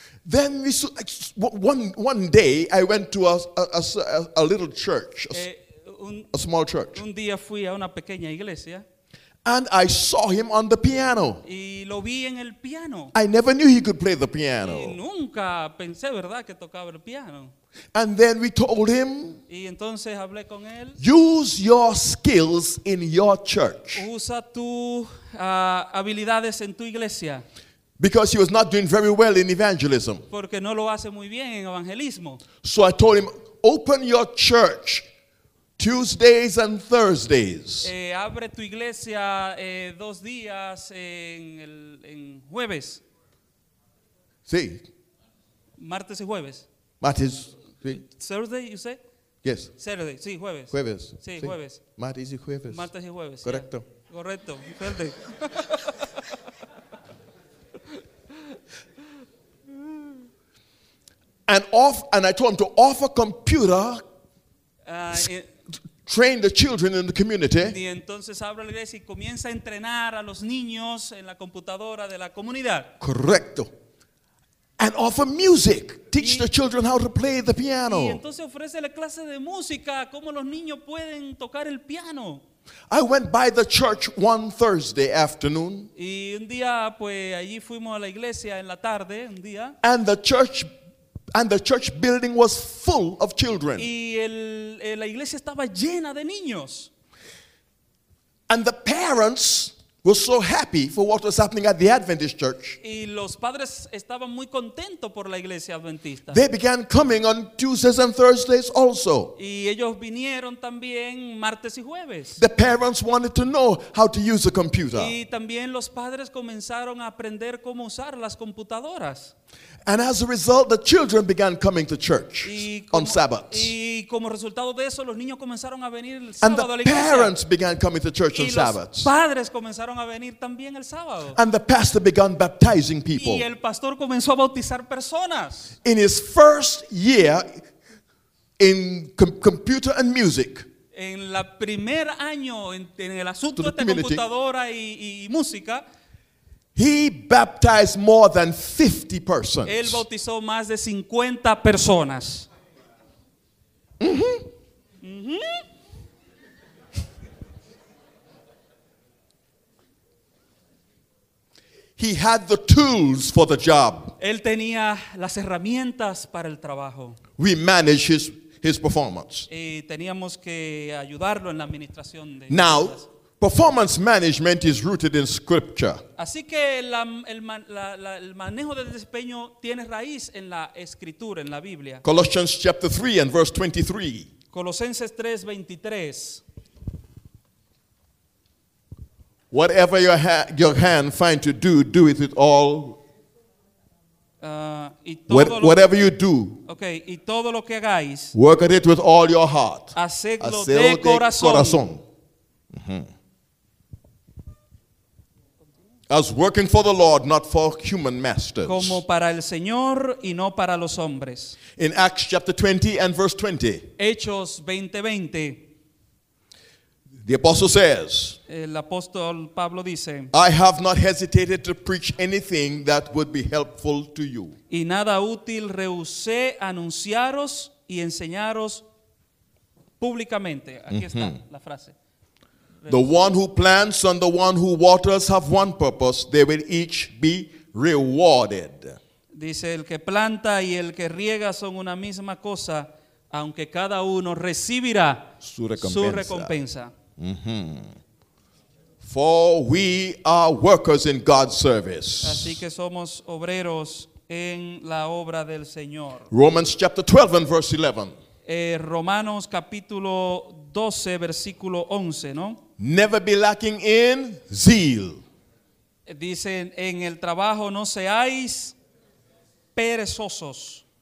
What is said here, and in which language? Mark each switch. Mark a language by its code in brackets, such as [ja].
[en] Then we one day I went to a little church. A small church. [es] Un día fui a una pequeña iglesia. [en] And I saw him on the piano. [es] Y lo vi en el piano. [en] I never knew he could play the piano. [es] Y nunca pensé, ¿verdad?, que tocaba el piano. [en] And then we told him, [es] y entonces hablé con él, [en] use your skills in your church. [es] Usa tu, habilidades en tu iglesia. [en] Because he was not doing very well in evangelism. [es] Porque no lo hace muy bien en evangelismo. [en] So I told him, open your church Tuesdays and Thursdays. [es] Abre tu iglesia dos días en jueves. Sí. Martes y jueves. Martes. [en] Thursday, you say? Yes. [es] Saturday, sí, jueves. Jueves. Sí, sí. Jueves. Martes y jueves. Martes y jueves. Correcto. [en] Yeah. Correcto. Thursday. And I told him to offer computer. Train the children in the community. [es] Y entonces abre la iglesia y comienza a entrenar a los niños en la computadora de la comunidad. [en] Correcto. And offer music. Teach the children how to play the piano. [es] Y entonces ofrece la clase de música, cómo los niños pueden tocar el piano. [en] I went by the church one Thursday afternoon. [es] Y un día, pues, allí fuimos a la iglesia en la tarde, un día. [en] And the church building was full of children. [es] Y la iglesia estaba llena de niños. [en] And the parents were so happy for what was happening at the Adventist church. [es] Y los padres estaban muy contentos por la iglesia adventista. [en] They began coming on Tuesdays and Thursdays also. [es] Y ellos vinieron también martes y jueves. [en] The parents wanted to know how to use a computer. [es] Y también los padres comenzaron a aprender cómo usar las computadoras. [en] And as a result, the children began coming to church on Sabbaths. [es] Y como resultado de eso, los niños comenzaron a venir el sábado. [en] And the parents began coming to church on Sabbaths. [es] Y los padres comenzaron a venir también el sábado. [en] And the pastor began baptizing people. [es] Y el pastor comenzó a bautizar personas. [en] In his first year in computer and music. [es] En el primer año en el asunto de computadora y música. [en] He baptized more than 50 persons. [es] Él bautizó más de 50 personas. [en] He had the tools for the job. [es] Él tenía las herramientas para el trabajo. [en] We managed his performance. [es] Y teníamos que ayudarlo en la administración de. [en] Now, performance management is rooted in scripture. [es] Así que el manejo de desempeño tiene raíz en la escritura, en la Biblia. [en] Colossians chapter 3 and verse 23. [es] Colosenses 3, 23. [en] Whatever your hand find to do, do it with all. Whatever you do, [es] okay, y todo lo que hagáis, [en] work at it with all your heart. [es] Hacedlo de corazón. [en] As working for the Lord, not for human masters. [es] Como para el Señor y no para los hombres. [en] In Acts chapter 20 and verse 20. [es] Hechos 20:20. [en] The apostle says. [es] El apóstol Pablo dice. [en] I have not hesitated to preach anything that would be helpful to you. [es] Y nada útil rehusé anunciaros y enseñaros públicamente. Aquí está la frase. [en] The one who plants and the one who waters have one purpose. They will each be rewarded. [es] Dice, el que planta y el que riega son una misma cosa, aunque cada uno recibirá su recompensa. [en] For we are workers in God's service. [es] Así que somos obreros en la obra del Señor. [en] Romans chapter 12 and verse 11. [es] Romanos capítulo 12, versículo 11, ¿no? [en] Never be lacking in zeal. [es] Dicen, en el trabajo no seáis perezosos.